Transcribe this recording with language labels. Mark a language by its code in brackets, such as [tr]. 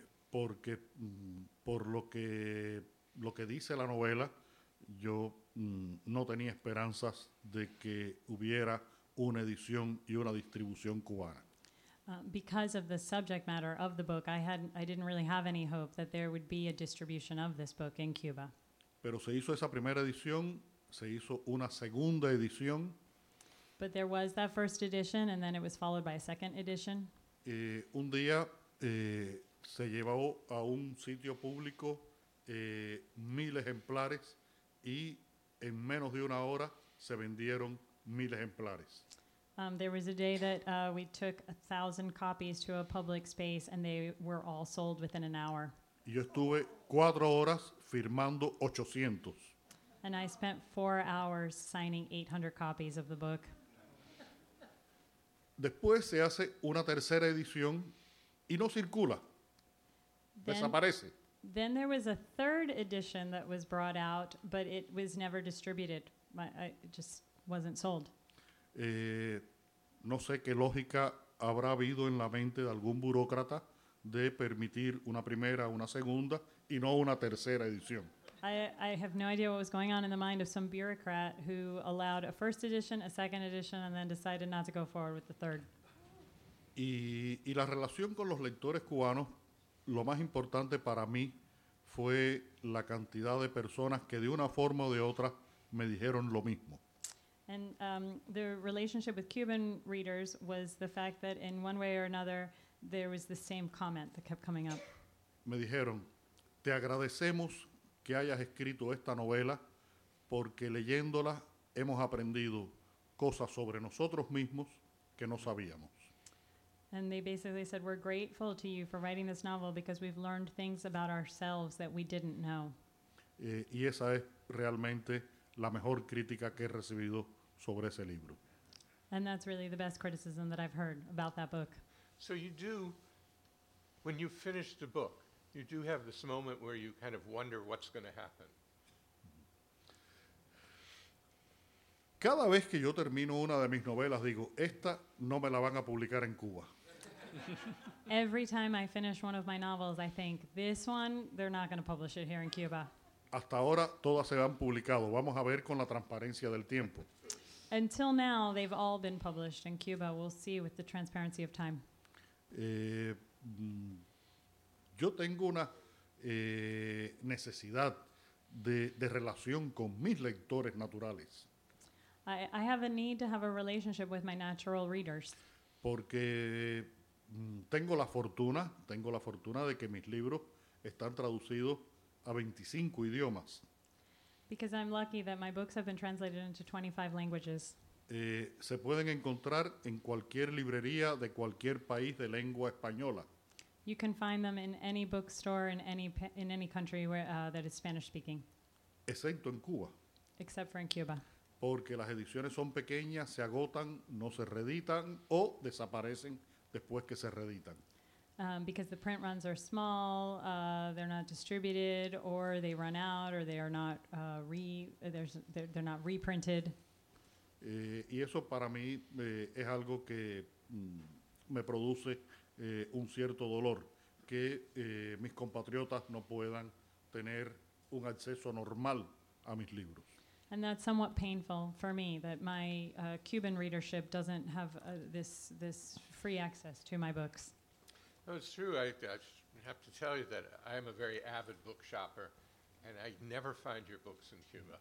[es] Porque por lo que dice la novela, yo no tenía esperanzas de que hubiera una edición y una distribución cubana. [en] Because of the subject matter of the book, I didn't really have any hope that there would be a distribution of this book in Cuba. [es] Pero se hizo esa primera edición. Se hizo una segunda edición. [en] But there was that first edition, and then it was followed by a second edition. [es] Un día se llevó a un sitio público 1,000 ejemplares, y en menos de una hora se vendieron 1,000 ejemplares. [en] There was a day that we took 1,000 copies to a public space, and they were all sold within an hour. [es] Yo estuve 4 horas firmando 800. [en] And I spent 4 hours signing 800 copies of the book. [es] Después se hace una tercera edición y no circula. Desaparece. [en] Then there was a third edition that was brought out, but it was never distributed. It just wasn't sold. [es] No sé qué lógica habrá habido en la mente de algún burócrata de permitir una primera, una segunda, y no una tercera edición. [en] I have no idea what was going on in the mind of some bureaucrat who allowed a first edition, a second edition, and then decided not to go forward with the third. [es] Y la relación con los lectores cubanos, lo más importante para mí fue la cantidad de personas que de una forma o de otra me dijeron lo mismo. [en] And the relationship with Cuban readers was the fact that in one way or another, there was the same comment that kept coming up. [es] Me dijeron, te agradecemos que hayas escrito esta novela, porque leyéndola hemos aprendido cosas sobre nosotros mismos que no sabíamos. [en] And they basically said, we're grateful to you for writing this novel because we've learned things about ourselves that we didn't know. [es] Y esa es realmente la mejor crítica que he recibido sobre ese libro. [en] And that's really the best criticism that I've heard about that book. So you do, when you finish the book, you do have this moment where you kind of wonder what's going to happen. [es] Cada vez que yo termino una de mis novelas, digo, esta no me la van a publicar en Cuba. [en] Every time I finish one of my novels, I think, this one, they're not going to publish it here in Cuba. [es] Hasta ahora, todas se han publicado. Vamos a ver con la transparencia del tiempo. [en] Until now, they've all been published in Cuba. We'll see with the transparency of time. [es] Yo tengo una necesidad de relación con mis lectores naturales. [en] I have a need to have a relationship with my natural readers. [es] Porque tengo la fortuna de que mis libros están traducidos a 25 idiomas. [en] Because I'm lucky that my books have been translated into 25 languages. [es] Se pueden encontrar en cualquier librería de cualquier país de lengua española. [en] You can find them in any bookstore in any country where that is Spanish speaking. [es] Excepto en Cuba. [en] Except for in Cuba. [es] Porque las ediciones son pequeñas, se agotan, no se reeditan o desaparecen después que se reeditan. [en] Because the print runs are small, they're not distributed, or they run out, or they're not reprinted. [es] Y eso para mí es algo que me produce un cierto dolor, que mis compatriotas no puedan tener un acceso normal a mis libros. [en] And that's somewhat painful for me, that my Cuban readership doesn't have this free access to my books. No, it's true. I have to tell you that I am a very avid book shopper, and I never find your books in Cuba.